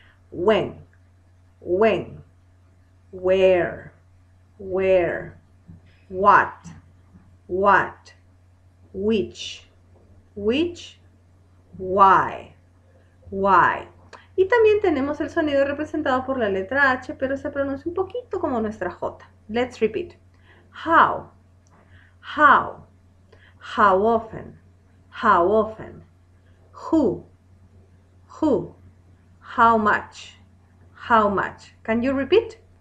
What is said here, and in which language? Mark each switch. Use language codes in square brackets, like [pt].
[en] When, when, where, where, what, what, which, which, why, why. [es] Y también tenemos el sonido representado por la letra H, pero se pronuncia un poquito como nuestra J. [en] Let's repeat. How, how, how often, who, how much, can you repeat?